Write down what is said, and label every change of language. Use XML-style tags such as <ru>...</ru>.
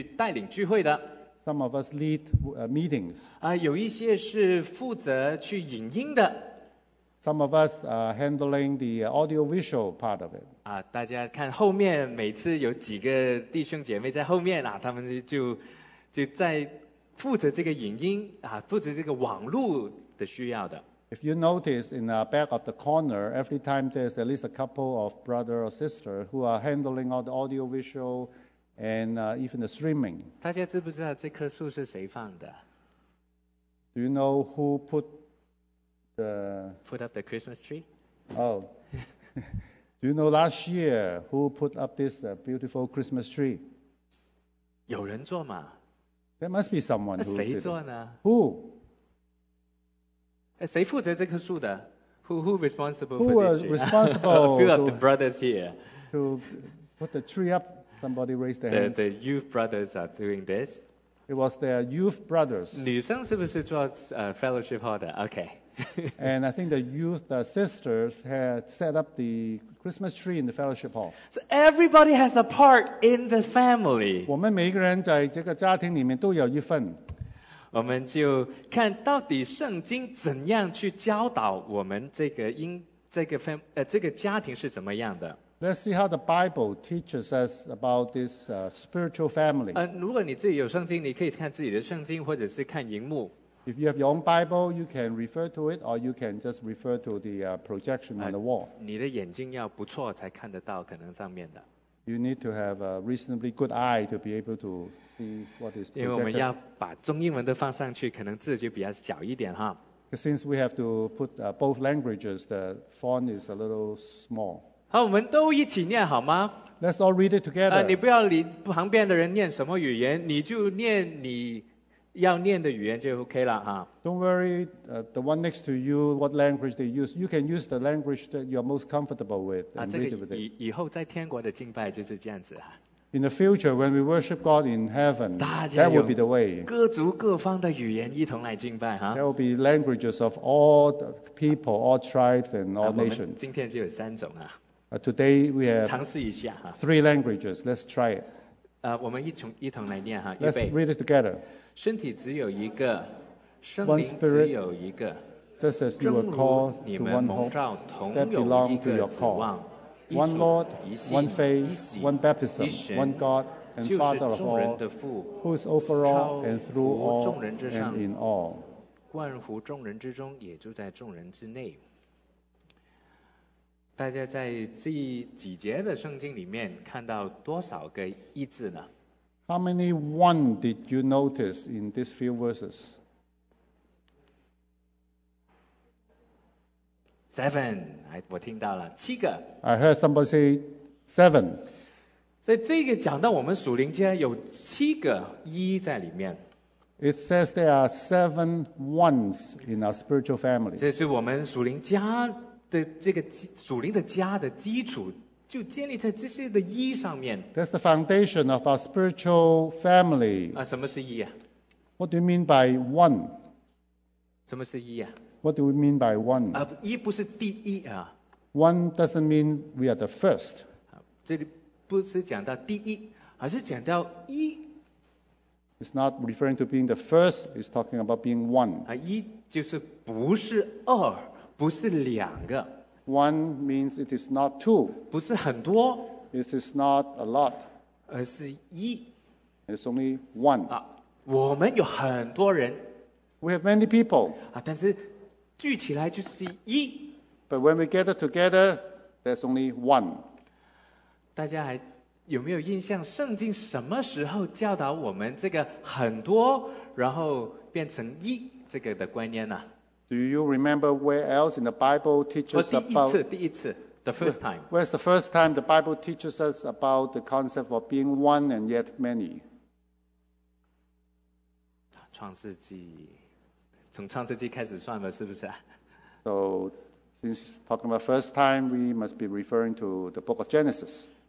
<zh>教导的，或者去带领聚会的。</zh> <en>Some of us lead meetings.</en> <zh>有一些是负责去影音的。Some</zh> <en>of us handling the audiovisual part of it.</en> <zh>大家看后面每次有几个弟兄姐妹在后面，他们就在负责这个影音，负责这个网络的需要的。</zh> <en>If you notice in the back of the corner, every time there's at least a couple of brother or sister who are handling all the audiovisual and even the streaming.</en> <zh>大家知不知道这棵树是谁放的？</zh> <en>Do you know who put the... Put up the Christmas tree? Oh. Do you know last year who put up this beautiful Christmas tree?</en> <zh>有人做吗？</zh> <en>There must be someone who</en> <zh>谁做呢？</zh> <en>Who?</en> <zh>谁负责这棵树的？</zh> <en>Who responsible for this tree? Who was responsible? A few of the brothers here. To put the tree up, somebody raised their hands. The youth brothers are doing this. It was their youth brothers.</en> <zh>女生是不是做</zh> <en>fellowship holder? Okay. And I think the youth sisters had set up the Christmas tree in the fellowship hall. So everybody has a part in the family.</en> <zh>我们每一个人在这个家庭里面都有一份。我们就看到底圣经怎样去教导我们这个家庭是怎么样的。</zh> <en>Let's see how the Bible teaches us about this spiritual family.</en> <zh>如果你自己有圣经，你可以看自己的圣经，或者是看荧幕。</zh> <en>If you have your own Bible, you can refer to it, or you can just refer to the projection on the wall.</en> <zh>你的眼睛要不错才看得到可能上面的。</zh> <en>You need to have a reasonably good eye to be able to see what is projected.</en> <zh>因为我们要把中英文都放上去，可能字就比较小一点哈。</zh> <en>Since we have to put both languages, the font is a little small.</en> <zh>好，我们都一起念好吗？</zh> <en>Let's all read it together.</en> <zh>你不要理旁边的人念什么语言，你就念你要念的语言就 OK 了哈。</zh> <en>Don't worry, the one next to you, what language they use, you can use the language that you're most comfortable with and read it with it.</en> <zh>以后在天国的敬拜就是这样子哈。</zh> <en>In the future, when we worship God in heaven, that will be the way.</en> <zh>各族各方的语言一同来敬拜哈。</zh> <en>There will be languages of all people, all tribes and all nations.</en> <zh>今天就有三种啊。</zh> <en>Today we have</en> <zh>尝试一下哈。</zh> <en>Three languages, let's try it.</en> <zh>我们一同来念哈。</zh> <en>Let's read it together.</en> <zh>身体只有一个，圣灵只有一个，正如你们蒙召同有一个指望，一主、一信、一洗、一神，就是众人的父，超乎众人之上，冠乎众人之中，也住在众人之内。大家在这几节的圣经里面看到多少个一字呢？</zh> <en>How many one did you notice in these few verses? Seven.</en> <zh>我听到了七个。</zh> <en>I heard somebody say seven.</en> <zh>所以这个讲到我们属灵界有七个一在里面。</zh> <en>It says there are seven ones in our spiritual family.</en> <zh>这是我们属灵家的这个属灵的家的基础。就建立在这些的一上面。</zh> <en>That's the foundation of our spiritual family.</en> <zh>啊，什么是一啊？</zh> <en>What do you mean by one?</en> <zh>什么是一啊？</zh> <en>What do we mean by one?</en> <zh>啊，一不是第一啊。</zh> <en>One doesn't mean we are the first.</en> <zh>这里不是讲到第一，而是讲到一。</zh> <en>It's not referring to being the first. It's talking about being one.</en> <zh>啊，一就是不是二，不是两个。</zh> <en>One means it is not two.</en> <zh>不是很多。</zh> <en>It is not a lot.</en> <zh>而是一。</zh> <en>It's only one.</en> <zh>啊，我们有很多人。</zh> <en>We have many people.</en> <zh>啊，但是聚起来就是一。</zh> <en>But when we gather together, there's only one.</en> <zh>大家还有没有印象，圣经什么时候教导我们这个很多，然后变成一这个的观念呢？</zh> <en>Do you remember where else in the Bible teaches about...</en> <zh>第一次,</zh> <en>the first time. Where's the first time the Bible teaches us about the concept of being one and yet many?</en> <zh>创世纪，从创世纪开始算了，是不是？</zh> <en>So, since talking about first time, we must be referring to the book of Genesis.</en>